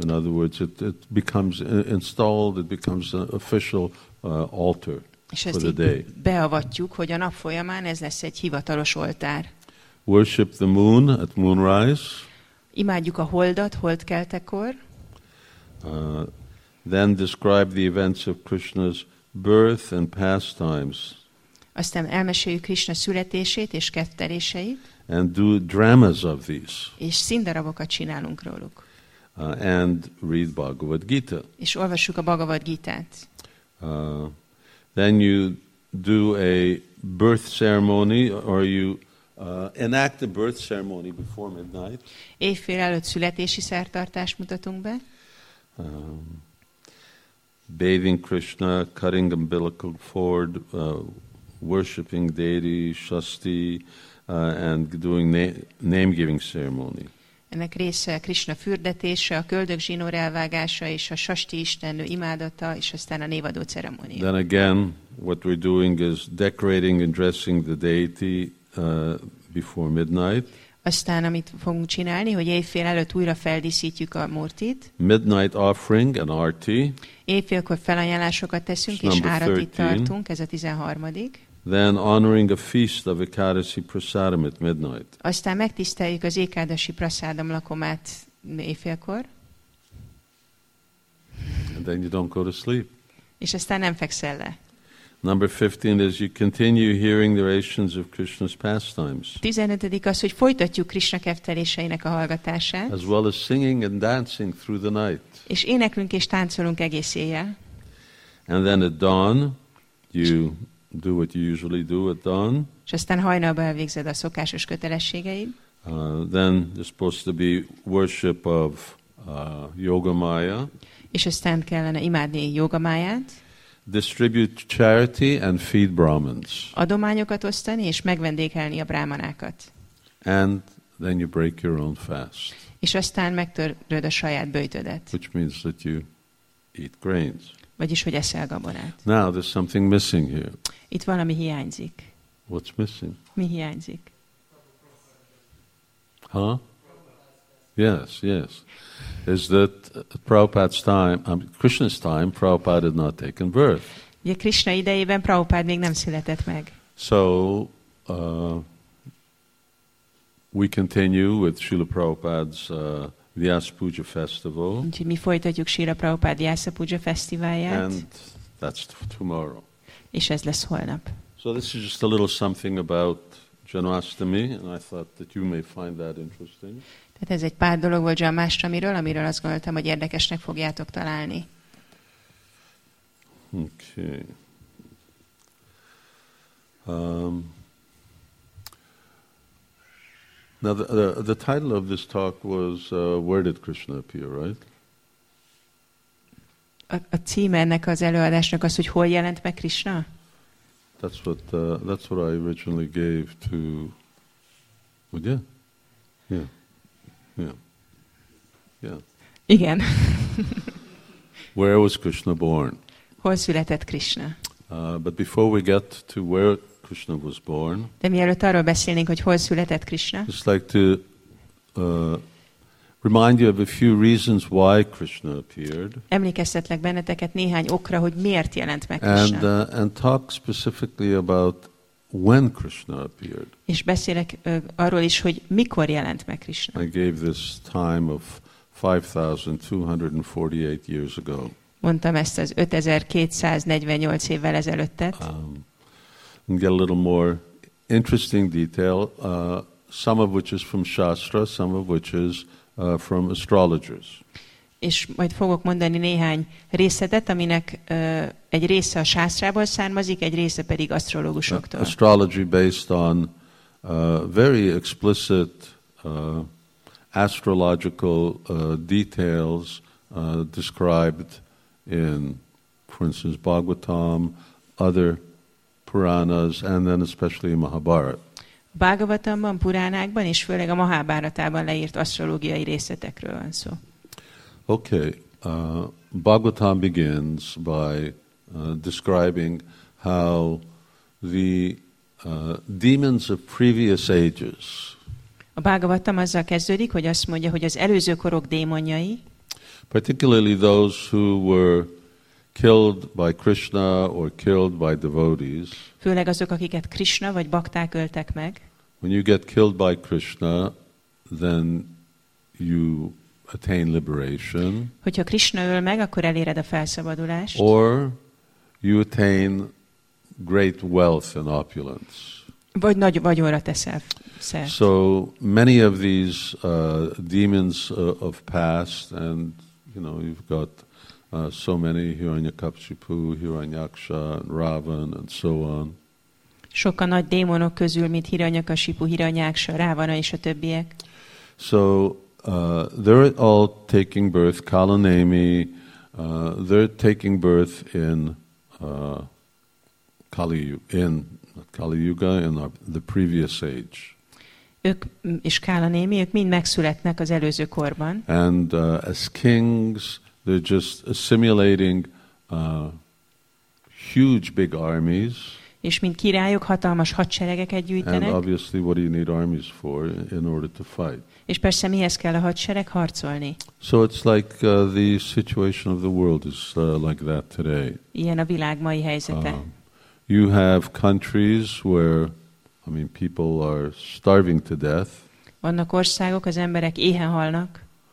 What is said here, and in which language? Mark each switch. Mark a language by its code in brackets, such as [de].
[en] In other words, it becomes installed, it becomes an official altar. [hu] És ezt így beavatjuk, hogy a nap folyamán ez lesz egy hivatalos oltár. [en] Worship the moon at moonrise. [hu] Imádjuk a holdat holdkeltekor. [en] Then describe the events of Krishna's birth and pastimes. [hu] Aztán elmeséljük Krishna születését és ketteréseit. [en] And do dramas of these. [hu] És színdarabokat csinálunk róluk. [en] And read Bhagavad Gita. [hu] És olvassuk a Bhagavad Gita-t. [en] Then you do a birth ceremony, or you enact a birth ceremony before midnight. [hu] Éjfél előtt születési szertartást mutatunk be. [en] Bathing Krishna, cutting umbilical cord, worshipping deity, shasti, and doing name-giving ceremony. [hu] Ennek része Krishna fürdetése, a köldök zsinór elvágása és a sasti istennő imádata és aztán a névadó ceremónia. [en] Then again, what we're doing is decorating and dressing the deity before midnight. [hu] Aztán amit fogunk csinálni, hogy éjfél előtt újra feldíszítjük a murtit. [en] Midnight offering and arti. [hu] Éjfélkor felajánlásokat teszünk és árat itt tartunk, ez a 13. [en] Then honoring a feast of Ekadasi Prasadam at midnight. [hu] Aztán megtiszteljük az Ekadasi Prasadam lakomát éjfélkor. [en] And then you don't go to sleep. [hu] És aztán nem fekszel le. [en] Number 15 is you continue hearing the narrations of Krishna's pastimes. [hu] 15. Az, hogy folytatjuk Krishna kefteléseinek a hallgatását. [en] As well as singing and dancing through the night. [hu] És éneklünk és táncolunk egész éjjel. [en] And then at dawn you do what you usually do at dawn. [hu] És aztán hajnalban elvégzed a szokásos kötelességeid. [en] Then there's supposed to be worship of Yogamaya. [hu] És aztán kellene imádni Yogamayát. [en] Distribute charity and feed Brahmins. [hu] Adományokat osztani és megvendékelni a brahmanákat. [en] And then you break your own fast. [hu] És aztán megtöröd a saját böjtödet. [en] Which means that you eat grains. [hu] Vagyis, hogy eszel gabonát. [en] Now there's something missing here. [hu] Itt valami hiányzik. [en] What's missing? [hu] Mi hiányzik? [en] Huh? Yes, yes. Is that Prabhupada's time, Krishna's time, Prabhupada had not taken birth. [hu] Ugye Krishna idejében Prabhupada még nem született meg. [en] So, we continue with Srila Prabhupada's Vyasa Puja Festival. [hu] Úgyhogy mi folytatjuk Srila Prabhupada Vyasa Puja Fesztiválját. [en] And that's tomorrow. [hu] És ez lesz holnap. [en] So this is just a little something about Janmashtami, and I thought that you may find that interesting. [hu] Tehát ez egy pár dolog volt Janmashtamiről, amiről azt gondoltam, hogy érdekesnek fogjátok találni. [en] Okay. Now the title of this talk was Where Did Krishna Appear, right? [hu] A címe ennek az előadásnak az, hogy hol jelent meg Krishna? [en] That's what I originally gave to, ugye? Yeah. [hu] Igen. [en] Where was Krishna born? [hu] Hol született Krishna? [en] But before we get to where Krishna was born, [hu] de mielőtt arról beszélnénk, hogy hol született Krishna, [en] just like to Remind you of a few reasons why Krishna appeared. [hu] Emlékeztetlek benneteket néhány okra, hogy miért jelent meg Krishna. [en] And talk specifically about when Krishna appeared. [hu] És beszélek arról is, hogy mikor jelent meg Krishna. [en] I gave this time of 5,248 years ago. [hu] Mondtam ezt az 5,248 évvel ezelőttet. [en] Get a little more interesting detail, some of which is from Shastra, some of which is from astrologers. [hu] És majd fogok mondani néhány részletet, aminek egy része a Sásztrából származik, egy része pedig asztrológusoktól. [en] Astrology based on very explicit astrological details described in, for instance, Bhagavatam, other Puranas, and then especially Mahabharata. [hu] Bhagavatamban, Puránákban és főleg a Mahábharatában leírt asztrológiai részletekről van szó. [en] Okay, Bhagavatam begins by describing how the demons of previous ages. [hu] A Bhagavatam azzal kezdődik, hogy azt mondja, hogy az előző korok démonjai, [en] particularly those who were killed by Krishna or killed by devotees. [hu] Főleg azok, akiket Krishna vagy bakták öltek meg. [en] When you get killed by Krishna, then you attain liberation. [hu] Hogyha Krishna öl meg, akkor eléred a felszabadulást. [en] Or you attain great wealth and opulence. [hu] Vagy nagy vagyonra teszel szert. [en] So many of these demons of past, and you know, you've got so many, Hiranyakashipu, Hiranyaksha, Ravan, and so on. [hu] Sok a nagy démonok közül, mint Hiranyakashipu, Hiranyaksha, Ravana és a többiek. [en] So they're all taking birth, Kalanemi, they're taking birth in Kali, in not Kali Yuga, in our, the previous age. [hu] Ők és Kalanemi, ők mind megszületnek az előző korban. [en] And as kings, they're just assimilating huge big armies. [hu] És mint királyok hatalmas hadseregeket gyűjtenek. [en] And obviously what do you need armies for in order to fight? [hu] És persze mihez kell a hadsereg harcolni? [en] So it's like the situation of the world is like that today. [hu] Ilyen a világ mai helyzete. [en] You have countries where, I mean, people are starving to death. [hu] Vannak országok, az emberek éhen halnak.